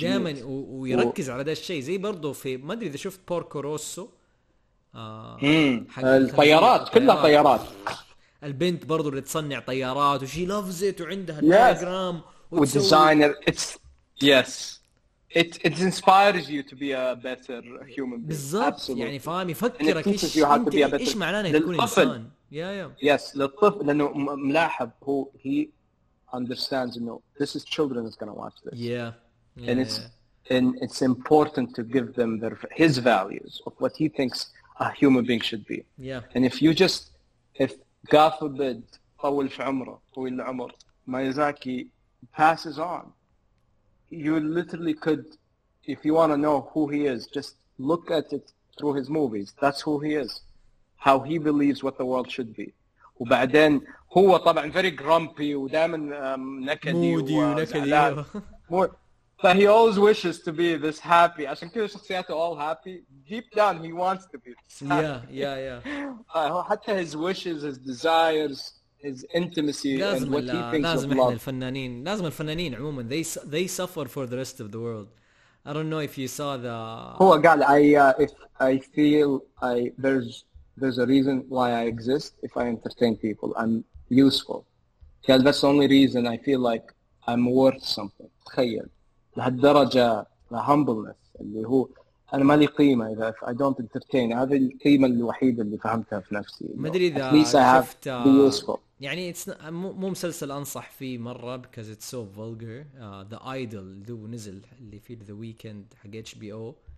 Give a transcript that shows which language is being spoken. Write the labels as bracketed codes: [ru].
[ar] دائما ويركز على ده الشيء, زي برضو في ما أدري إذا شفت بوركو روسو الطيارات, كلها طيارات, البنت برضو اللي تصنع طيارات وشي [en] loves it [ar] وعندها الدياجرام [en] والديزاينر, it's yes it inspires you to be a better human being. [ar] بالضبط, يعني فاهم يفكرك ايش معناه تكون انسان. [en] Yes, [ar] للطفل, لأنه ملاحظ هو [en] he understands, you know, this is children that's gonna watch this. Yeah. And it's and it's important to give them their his values of what he thinks a human being should be. Yeah. And if you just if God forbid [ar] طول في عمره طويل العمر [en] Miyazaki passes on, you literally could, if you want to know who he is, just look at it through his movies. That's who he is. How he believes what the world should be. [ar] وبعدين هو طبعاً [en] very grumpy [ar] ودائماً نكدي مودي ونكدي [en] but he always wishes to be this happy. [ar] عشان كده شخصياته [en] all happy. Deep down he wants to be this happy. Yeah. [ar] حتى [en] his wishes, his desires, his intimacy and what he thinks [ar] لازم [en] of love. [ar] لازم الفنانين عموماً [en] they suffer for the rest of the world. I don't know if you saw the [ar] هو قال [en] I feel there's a reason why I exist. If I entertain people, I'm useful. Yeah, that's the only reason I feel like I'm worth something. [ar] تخيل لهالدرجة, [en] the humbleness [ar] اللي هو أنا مالي قيمة إذا [en] if I don't entertain. [ar] هذه القيمة الوحيدة اللي فهمتها في نفسي. ما أدري إذا شفت يعني [en] it's [ar] مو مسلسل أنصح فيه مرة [en] because it's so vulgar. The Idol [ar] اللي هو نزل اللي في [en] The Weekend [ar] حق [en] HBO.